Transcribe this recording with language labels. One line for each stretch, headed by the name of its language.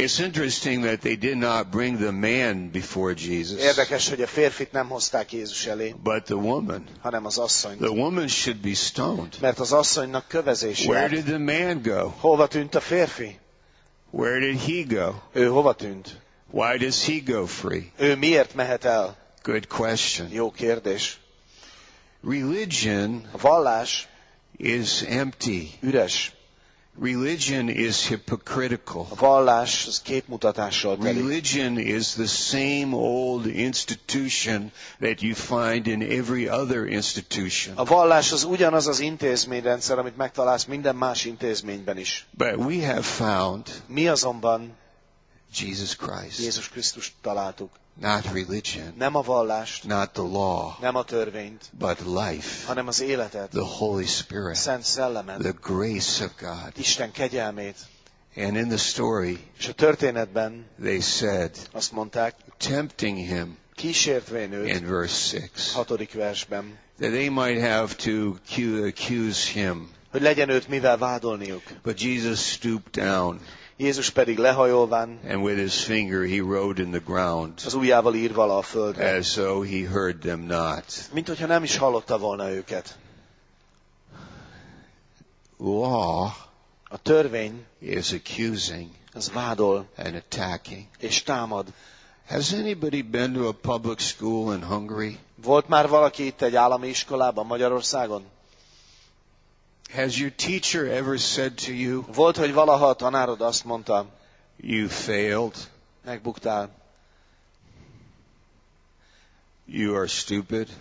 English: It's interesting that they did not bring the man before Jesus,
Hungarian: érdekes, hogy a férfit nem hozták Jézus elé,
English: but the woman,
Hungarian: hanem az asszony.
English: The woman should be stoned,
Hungarian: mert az asszonynak kövezés.
English: Where did the man go?
Hungarian: Hova tűnt a férfi?
English: Where did he go?
Hungarian: Ő hova tűnt?
English: Why does he go free?
Hungarian: Ő miért mehet el?
English: Good question.
Hungarian: Jó kérdés.
English: Religion,
Hungarian: a vallás,
English: is empty.
Hungarian: Üres.
English: Religion is hypocritical.
Hungarian: A vallás az képmutatással teli.
English: Religion is the same old institution that you find in every other institution.
Hungarian: A vallás az ugyanaz az intézményrendszer, amit megtalálsz minden más intézményben is.
English: But we have found,
Hungarian: mi azonban,
English: Jesus Christ,
Hungarian: Jézus Krisztust találtuk.
English: Not religion,
Hungarian: nem a vallást,
English: not the law,
Hungarian: nem a törvényt,
English: but life,
Hungarian: hanem az életet,
English: the Holy Spirit,
Hungarian: Szent Szellemet,
English: the grace of God,
Hungarian: Isten kegyelmét.
English: And in the story,
Hungarian: és a történetben,
English: they said,
Hungarian: azt mondták,
English: tempting him,
Hungarian: kísértvén őt,
English: in verse 6,
Hungarian: hatodik versben,
English: that they might have to accuse him,
Hungarian: hogy legyen őt mivel vádolniuk.
English: But Jesus stooped down,
Hungarian: Jézus pedig lehajolván,
English: and with his finger he wrote in the ground,
Hungarian: az ujjával írt vala a földre,
English: as though he heard them not,
Hungarian: mint hogyha nem is hallotta volna őket.
English: Law,
Hungarian: a törvény,
English: is accusing,
Hungarian: az vádol,
English: and attacking,
Hungarian: és támad.
English: Has anybody been to a public school in Hungary?
Hungarian: Volt már valaki itt egy állami iskolában Magyarországon?
English: Has your teacher ever said to you,
Hungarian: volt, hogy valaha a tanárod azt mondta,
English: you failed,
Hungarian: megbuktál,
English: you are stupid,